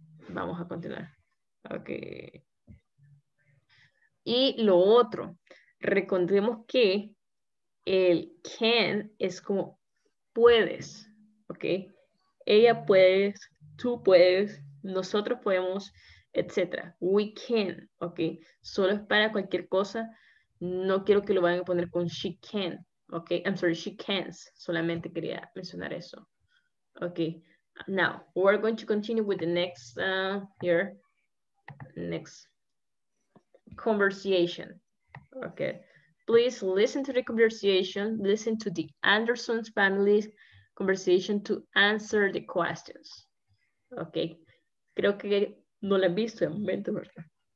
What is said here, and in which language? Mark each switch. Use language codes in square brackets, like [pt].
[es] Vamos a continuar. Okay. Y lo otro, recordemos que el can es como puedes, ¿ok? Ella puede, tú puedes, nosotros podemos, etc. [en] We can, [es] ¿ok? Solo es para cualquier cosa. No quiero que lo vayan a poner con [en] she can, [es] ¿ok? [en] I'm sorry, she can't. [es] Solamente quería mencionar eso. Ok. [en] Now, we're going to continue with the next, here. Next conversation. Ok. Please listen to the conversation, listen to the Anderson's family conversation to answer the questions. [es] Ok, creo que no la he visto en momento, ¿verdad?